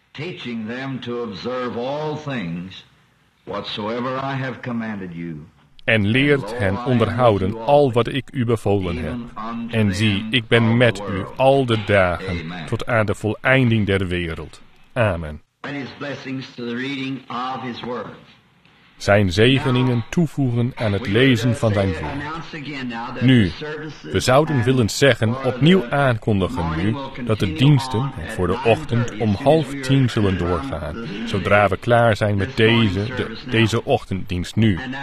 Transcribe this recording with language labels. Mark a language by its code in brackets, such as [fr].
[en] Teaching them to observe all things whatsoever I have commanded you. [nl] En leert hen onderhouden al wat ik u bevolen heb. En zie, ik ben met u al de dagen tot aan de voleinding der wereld. Amen. [en] And his blessings to the reading of his word. [nl] Zijn zegeningen toevoegen aan het lezen van zijn woord. Nu, we zouden willen zeggen, opnieuw aankondigen nu, dat de diensten voor de ochtend om 9:30 zullen doorgaan, zodra we klaar zijn met deze ochtenddienst nu.